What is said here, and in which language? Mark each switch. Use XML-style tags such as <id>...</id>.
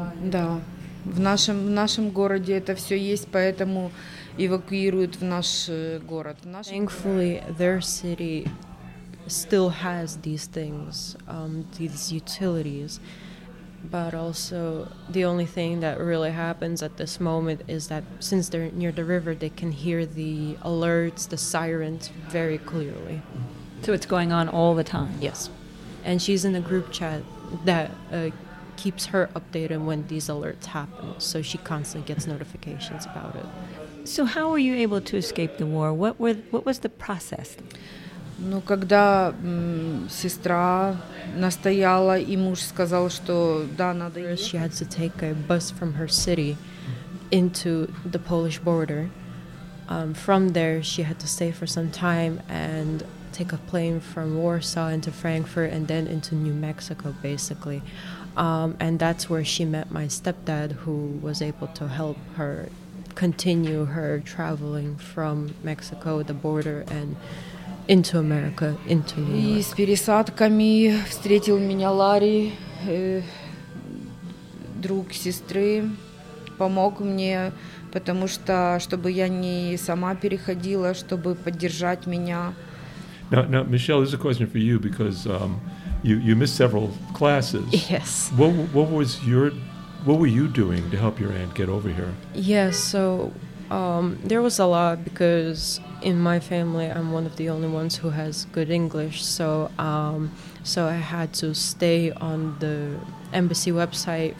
<ru>Да, в нашем городе это все есть, поэтому. Эвакуируют в наш город.</ru> <en>Thankfully, their city still has these things, these utilities. But also, the only thing that really happens at this moment is that since they're near the river, they can hear the alerts, the sirens, very clearly. So it's going on all the time? Yes. And she's in a group chat that keeps her updated when these alerts happen, so she constantly gets notifications about it. So how were you able to escape the war? What was the process?</en> <ru>Ну, когда сестра настояла, и муж сказал, что да, надо ехать.</ru> <en>She had to take a bus from her city, into the Polish border. From there, she had to stay for some time and take a plane from Warsaw into Frankfurt and then into New Mexico, basically. And that's where she met my stepdad, who was able to help her continue her traveling from Mexico, the border, and into America, into New York.</en> <ru>И с пересадками встретил меня Ларри, друг сестры, помог мне, потому что, чтобы я не сама переходила, чтобы поддержать меня.</ru> <en>Now, Michelle, this is a question for you, because you missed several classes. Yes. What were you doing to help your aunt get over here? Yes, so there was a lot, because in my family, I'm one of the only ones who has good English, so I had to stay on the embassy website.</en>